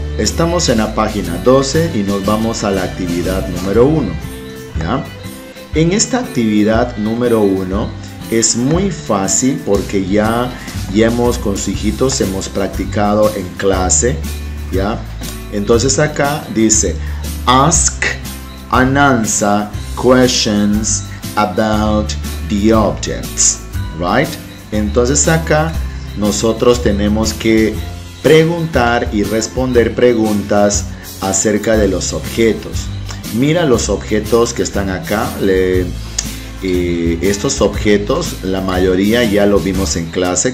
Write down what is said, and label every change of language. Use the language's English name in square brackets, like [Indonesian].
[Spanish] Estamos en la página 12 y nos vamos a la actividad número 1, ¿ya? En esta actividad número 1 es muy fácil porque ya hemos con sus hijitos hemos practicado en clase, ¿ya? Entonces acá dice, [English] ask and answer questions about the objects, right? [Spanish] Entonces acá nosotros tenemos que preguntar y responder preguntas acerca de los objetos. Mira los objetos que están acá. Estos objetos, la mayoría ya lo vimos en clase.